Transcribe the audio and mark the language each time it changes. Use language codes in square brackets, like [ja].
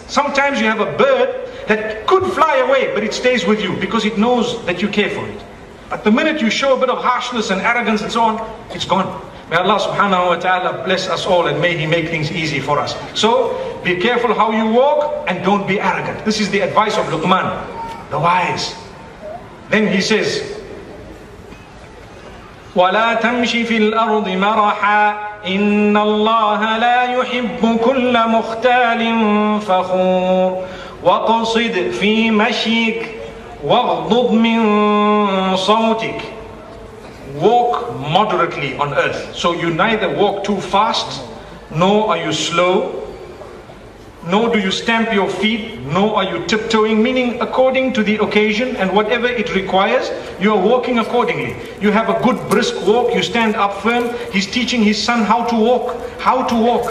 [en] Sometimes you have a bird that could fly away, but it stays with you because it knows that you care for it. But the minute you show a bit of harshness and arrogance and so on, it's gone. May Allah subhanahu wa ta'ala bless us all, and may He make things easy for us. So, be careful how you walk and don't be arrogant. This is the advice of Luqman, the wise. [ar] Then he says, وَلَا تَمْشِ فِي الْأَرْضِ مَرَحًا إِنَّ اللَّهَ لَا يُحِبُّ كُلَّ مُخْتَالٍ فَخُورٍ وَقَصِدْ فِي مَشِيكَ وَغْضُضْ مِنْ صَوْتِكَ. [en] Walk moderately on earth. So you neither walk too fast, nor are you slow, nor do you stamp your feet, nor are you tiptoeing, meaning according to the occasion and whatever it requires, you are walking accordingly. You have a good brisk walk, you stand up firm. He's teaching his son how to walk, how to walk.